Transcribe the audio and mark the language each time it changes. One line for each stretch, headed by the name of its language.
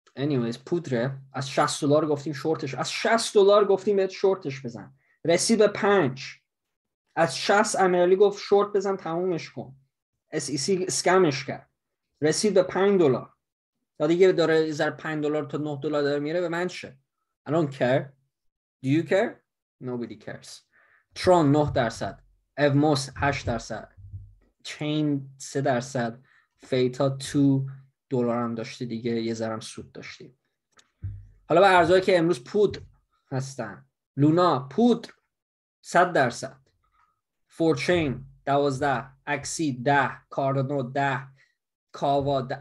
Persian: anyways پودره، از $60 گفتیم شورتش، از $60 گفتیم بهت شورتش بزن، رسید به 5. از 60 امیرعلی گفت شورت بزن تمومش کن، SEC اسکمش کرد، رسید به $5. تا دیگه داره زر $5 تا $9 داره میره، به من چه؟
English: I don't care. Do you care? Nobody cares.
Persian: Tron 9%، Evmos 8%، چین 3%، فیتا تو دلار هم داشته دیگه، یه ذرم سود داشتیم. حالا به ارزهایی که امروز پود هستن، لونا پود 100%، فورچین 12، اکسی 10، کاردانو 10، کاوا 10.